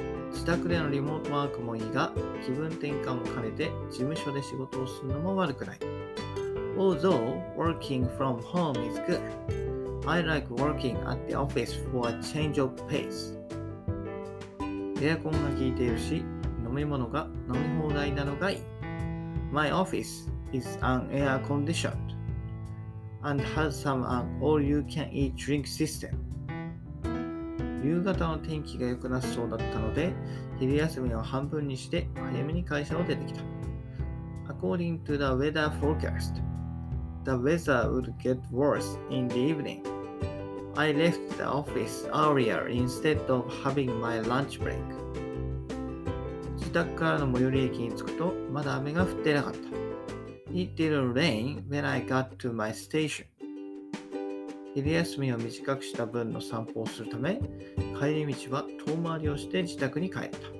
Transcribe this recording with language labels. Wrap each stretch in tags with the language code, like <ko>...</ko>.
<ja>自宅でのリモートワークもいいが、気分転換も兼ねて事務所で仕事をするのも悪くない。</ja> <en>Although working from home is good, I like working at the office for a change of pace.</en> <ja>エアコンが効いているし、飲み物が飲み放題なのがいい。</ja> <en>My office is an air conditioned and has some an all-you-can-eat drink system.</en> <ja>夕方の天気が良くなそうだったので、昼休みを半分にして早めに会社を出てきた。</ja> <en>According to the weather forecast, the weather would get worse in the evening. I left the office earlier instead of having my lunch break.</en> <ja>自宅からの最寄り駅に着くと、まだ雨が降っていなかった。</ja> <en>It didn't rain when I got to my station.</en> <ja>昼休みを短くした分の散歩をするため、帰り道は遠回りをして自宅に帰った。</ja>